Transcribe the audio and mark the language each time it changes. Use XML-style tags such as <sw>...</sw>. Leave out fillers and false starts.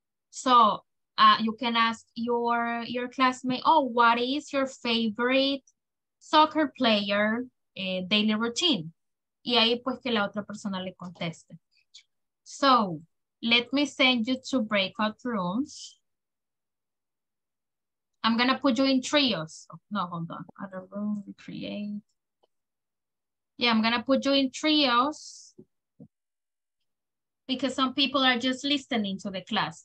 <en>So, you can ask your classmate, oh, what is your favorite soccer player daily routine?</en> <es>Y ahí pues que la otra persona le conteste.</es> <en>So, let me send you to breakout rooms. I'm gonna put you in trios. No, hold on. Other room, create. Yeah, I'm gonna put you in trios because some people are just listening to the class.</en>